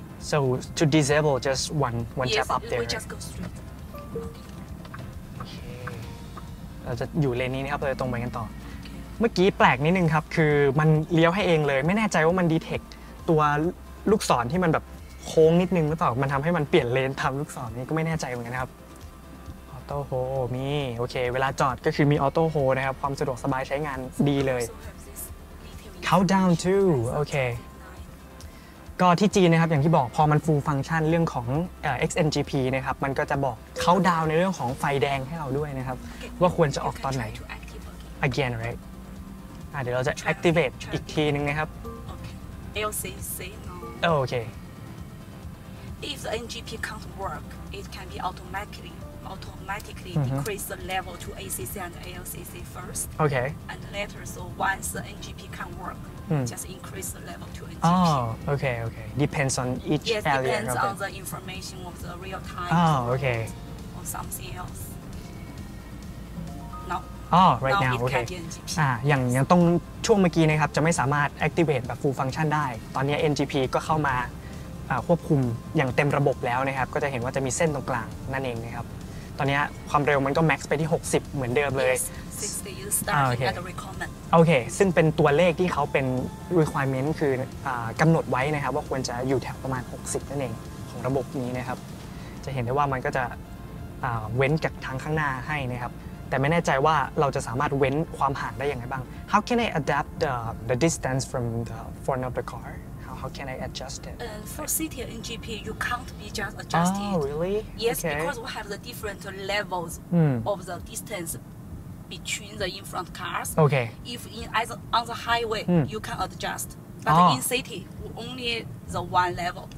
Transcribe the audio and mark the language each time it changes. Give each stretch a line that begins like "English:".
English: So to disable just one tap up there. We just go straight.
Thai: เราจะอยู่เลนนี้นะครับเราจะตรงไปกันต่อเมื่อกี้แปลกนิดนึงครับคือมันเลี้ยวให้เองเลยไม่แน่ใจว่ามันดีเทคตัวลูกศรที่มันแบบโค้งนิดนึงหรือเปล่ามันทำให้มันเปลี่ยนเลนทำลูกศรนี้ก็ไม่แน่ใจเหมือนกันนะครับออโต้โฮมีโอเคเวลาจอดก็คือมีออโต้โฮนะครับความสะดวกสบายใช้งานดีเลย Countdown too โอเค ก็ที่จีนนะครับอย่างที่บอกพอมันฟูลฟังก์ชันเรื่องของXNGP นะครับมันก็จะบอก Countdown ในเรื่องของไฟแดงให้เราด้วยนะครับว่าควรจะออกตอนไหน
English: Again right
Thai: เดี๋ยวเราจะ Activate อีกทีนึงนะครับ
English: LCC no. Oh, okay. If the NGP can't work, it can be automatically decrease the level to ACC and LCC first. Okay. And later, so once the NGP can't work, just increase the level to NGP. Oh, okay, okay. Depends on each area. Yes, depends on the information of the real time. Oh, okay. Or something else. No. Oh, right now, okay.
Thai: อย่าง ตรงช่วงเมื่อกี้นะครับจะไม่สามารถ activate แบบ full function ได้ตอนนี้ NGP ก็เข้ามาควบคุมอย่างเต็มระบบแล้วนะครับก็จะเห็นว่าจะมีเส้นตรงกลางนั่นเองนะครับตอนนี้ความเร็วมันก็ max ไปที่60เหมือนเดิมเลย 60 โอเคซึ่งเป็นตัวเลขที่เขาเป็น requirement คือกำหนดไว้นะครับว่าควรจะอยู่แถวประมาณ60นั่นเองของระบบนี้นะครับจะเห็นได้ว่ามันก็จะเว้นจากทางข้างหน้าให้นะครับแต่ไม่แน่ใจว่าเราจะสามารถเว้นความห่างได้ยังไงบ้าง
English: How can I adapt the distance from the front of the car? How can I adjust it? For city NGP, you can't be just adjusted. Oh, really? Yes, okay. Because we have the different levels of the distance between the in front cars. Okay. If on the highway, you can adjust. But in city, only the one level.